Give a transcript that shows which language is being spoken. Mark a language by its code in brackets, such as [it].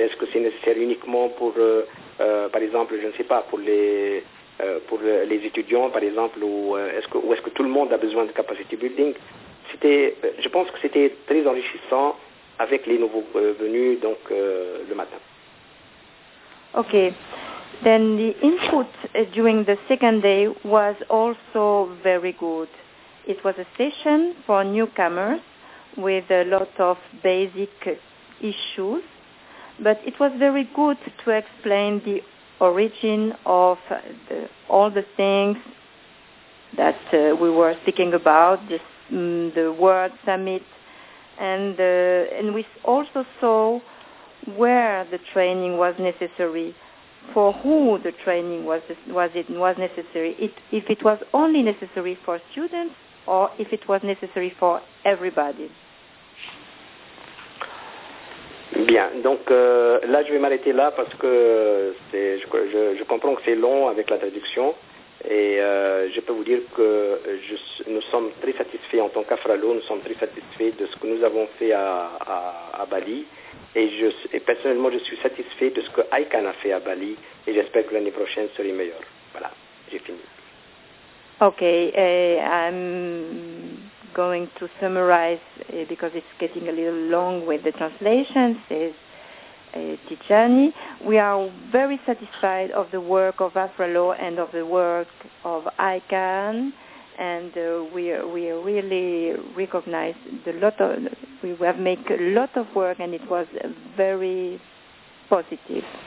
[fr] Est-ce que c'est nécessaire uniquement pour, par exemple, je ne sais pas, pour les étudiants, par exemple, ou est-ce que tout le monde a besoin de capacity building. Je pense que c'était très enrichissant avec les nouveaux venus, donc le matin. [en] Okay, then the input during the second day was also very good. It was a session for newcomers with a lot of basic issues, but it was very good to explain the origin of all the things that we were speaking about, the World Summit. And we also saw where the training was necessary, for who the training was necessary, if it was only necessary for students or if it was necessary for everybody. [fr] Bien, donc là je vais m'arrêter là parce que je comprends que c'est long avec la traduction. Et je peux vous dire que nous sommes très satisfaits en tant qu'Afralo, nous sommes très satisfaits de ce que nous avons fait à Bali. Et personnellement, je suis satisfait de ce que ICANN a fait à Bali et j'espère que l'année prochaine sera meilleure. Voilà, j'ai fini. [en] Okay, I'm going to summarize because it's getting a little long with the translation, says Tijani. We are very satisfied of the work of AfroLo and of the work of ICANN, and we really recognize the lot of, we have made a lot of work, and it was very positive.